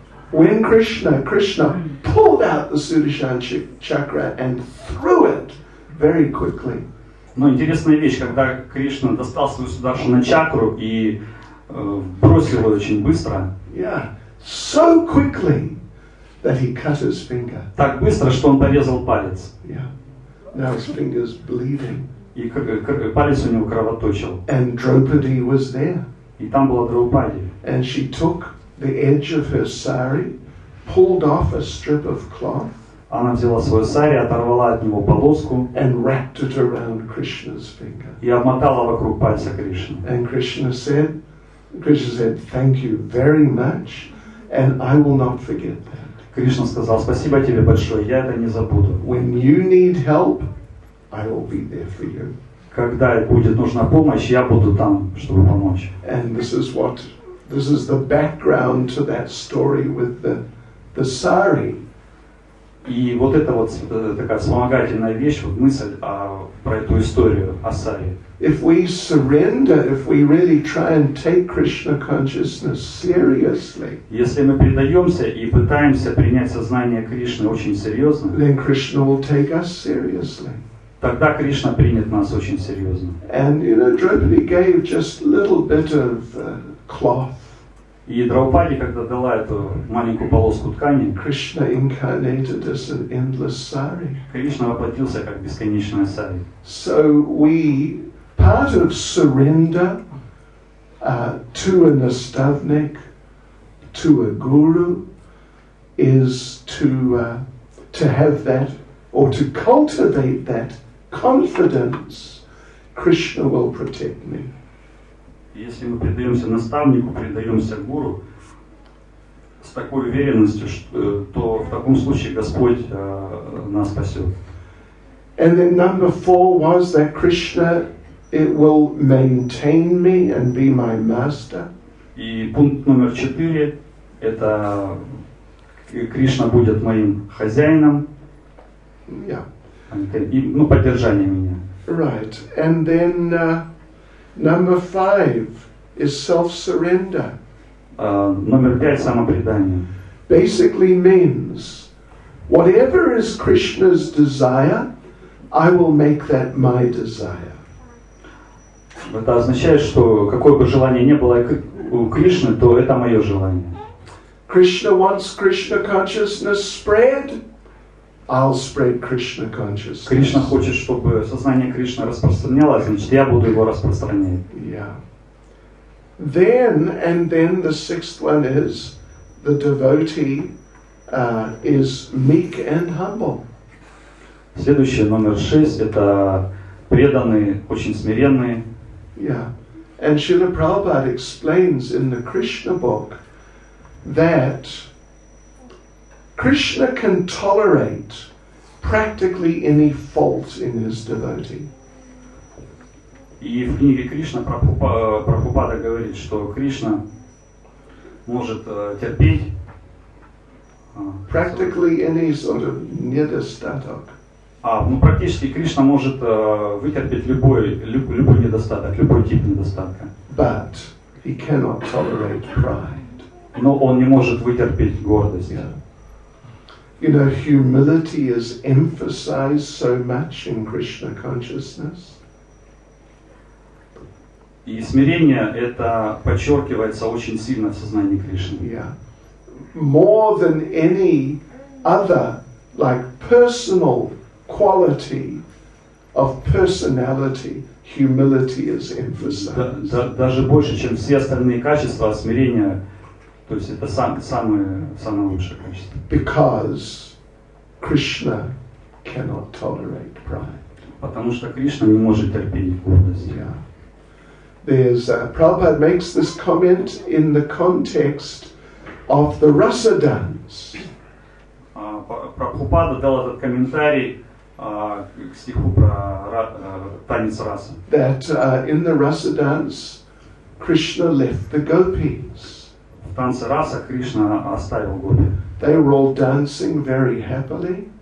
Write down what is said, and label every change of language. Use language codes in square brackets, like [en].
[en] When Krishna pulled out the Sudarshan chakra and threw it very quickly. [ru] Но интересная вещь, когда Кришна достал свою Сударшана чакру и бросил ее очень быстро. [en] Yeah, so quickly. That he cut his finger. [ru] Так быстро, что он порезал палец. [en] Yeah. Now his finger's bleeding. [ru] И палец у него кровоточил. [en] And Draupadi was there. [ru] И там была Драупади. [en] And she took the edge of her sari, pulled off a strip of cloth. [ru] Она взяла свою сари, оторвала от него полоску. [en] And wrapped it around Krishna's finger. [ru] И обмотала вокруг пальца Кришны. [en] And Krishna said, thank you very much, and I will not forget that. [ru] Кришна сказал, спасибо тебе большое, я это не забуду. [en] When you need help, I will be there for you. [ru] Когда будет нужна помощь, я буду там, чтобы помочь. [en] And this is the background to that story with the sari. [ru] И вот это вот такая вспомогательная вещь, вот мысль про эту историю о сари. [en] If we surrender, if we really try and take Krishna consciousness seriously, [ru] если мы предаемся и пытаемся принять сознание Кришны очень серьезно, [en] then Krishna will take us seriously. [ru] Тогда Кришна примет нас очень серьезно. [en] And you know, Draupadi gave just a little bit of cloth. [ru] И Драупади, когда дала эту маленькую полоску ткани, [en] Krishna incarnated as an endless sari. [ru] Кришна воплотился как бесконечная сари. [en] So we part of surrender to a nastavnik, to a guru, is to have that or to cultivate that confidence. Krishna will protect me. [ru] Если мы предаемся наставнику, предаемся гуру с такой уверенностью, то в таком случае Господь нас спасет. [en] And then number four was that Krishna. It will maintain me and be my master. [ru] И пункт номер 4 это Кришна будет моим хозяином. [en] Yeah. [ru] И, ну, поддержание меня. [en] Right. And then number 5 is self-surrender. [ru] Номер 5 самопредание. [en] basically means whatever is Krishna's desire, I will make that my desire. [ru] Это означает, что какое бы желание ни было у Кришны, то это мое желание. [en] Krishna wants Krishna consciousness spread. I'll spread Krishna consciousness. [ru] Кришна хочет, чтобы сознание Кришны распространялось, значит, я буду его распространять. [en] Yeah. Then the sixth one is the devotee is meek and humble. [ru] Следующий номер 6 это преданный, очень смиренный. [en] Yeah. And Srila Prabhupada explains in the Krishna book that Krishna can tolerate practically any fault in his devotee. [ru] И в книге Кришна Прабхупада говорит, что Кришна может терпеть [en] practically any sort of недостаток. [ru] Практически Кришна может вытерпеть любой недостаток, любой тип недостатка. [en] But he cannot tolerate pride. [ru] Но он не может вытерпеть гордость. [en] Yeah. You know, humility is emphasized so much in Krishna consciousness. [ru] И смирение это подчеркивается очень сильно в сознании Кришны. [en] Yeah. More than any other, like personal quality of personality, humility is emphasized. [ru] Даже больше, чем все остальные качества, смирение. То есть это самое лучшее качество. [en] Because Krishna cannot tolerate pride. [ru] Потому что Кришна не может терпеть гордость. [en] Yeah. There's Prabhupada makes this comment in the context of the rasa dance. [ru] Прабхупада дал этот комментарий к стиху про танец раса. [en] That in the rasa dance, Krishna left the gopis. [ru] В танце раса Кришна оставил гопи. [en] They were all dancing very happily.